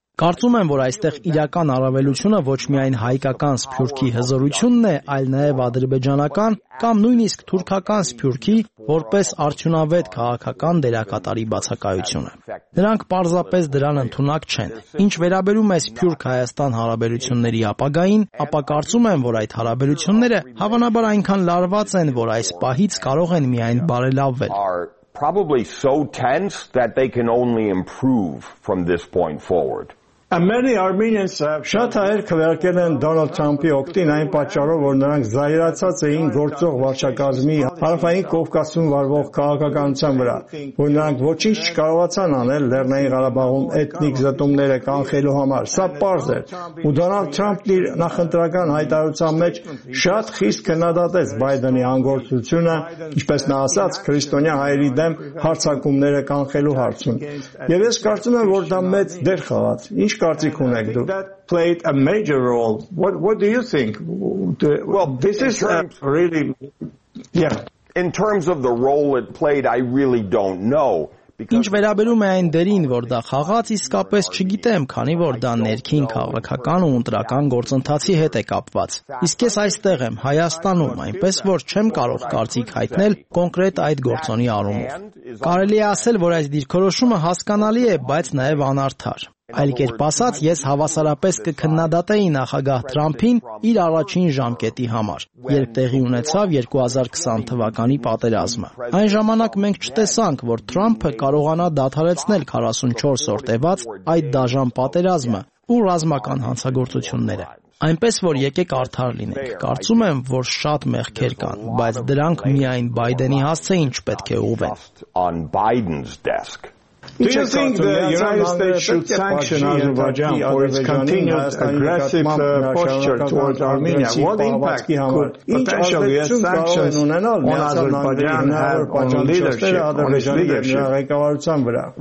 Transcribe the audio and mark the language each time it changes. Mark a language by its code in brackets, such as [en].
[hy] Կարծում եմ, որ այստեղ իրական առավելությունը ոչ միայն հայկական սփյուռքի հզորությունն է, այլ նաև ադրբեջանական կամ նույնիսկ թուրքական սփյուռքի որպես արդյունավետ քաղաքական դերակատարի բացակայությունը։ Նրանք պարզապես դրան ընդունակ չեն։ Ինչ վերաբերում է սփյուռք-Հայաստան հարաբերությունների ապագային, ապա կարծում եմ, որ այդ հարաբերությունները հավանաբար այնքան լարված են, որ այս պահից կարող են միայն բարելավվել։ [en] Probably so tense that they can only improve from this point forward. And many Armenians have [hy] շատ հայեր քվեարկել են Դոնալդ Թրամփի օկտին այն պատճառով, որ նրանք զայրացած էին գործող վարչակազմի Հարավային Կովկասում վարվող քաղաքականության վրա, որ նրանք ոչինչ չկարողացան անել Լեռնային Ղարաբաղում էթնիկ զտումները կանխելու համար։ Սա պարզ է, ու Դոնալդ Թրամփն իր նախընտրական հայտարարության մեջ շատ խիստ քննադատեց Բայդենի անգործությունը, ինչպես նա ասաց, քրիստոնյա հայերի դեմ հարձակումները կանխելու հարցում։ Եվ ես կարծում եմ, որ դա մեծ դեր խաղաց։ Ինչ կարծիք ունեք դուք? [en] That played a major role. What do you think? Well, this is really yeah. In terms of the role it played, I really don't know. [hy] Ինչ վերաբերում է այն դերին, որ դա խաղաց, իսկապես չգիտեմ, քանի որ դա ներքին քաղաքական ու ընտրական գործընթացի հետ է կապված։ Իսկ ես այստեղ եմ, Հայաստանում, այնպես որ չեմ կարող կարծիք հայտնել կոնկրետ այդ գործոնի առումով։ Կարելի է ասել, որ այս դիրքորոշումը հասկանալի է, բայց նաև անարդար։ Այլ կերպ ասած, ես հավասարապես կքննադատեի նախագահ Թրամփին իր առաջին ժամկետի համար, երբ տեղի ունեցավ 2020 թվականի պատերազմը։ Այն ժամանակ մենք չտեսանք, որ Թրամփը կարողանա դադարեցնել 44-օր տևած այդ դաժան պատերազմը, ու ռազմական հանցագործությունները։ Այնպես որ եկեք արդար լինենք, կարծում եմ, որ շատ մեղքեր կան, բայց դրանք միայն Բայդենի հասցե ինչ պետք է ուղվեն։ [en] Do you think the United States should sanction Azerbaijan for its continued aggressive posture towards Armenia? What impact could potentially a sanction on Azerbaijan have on leadership?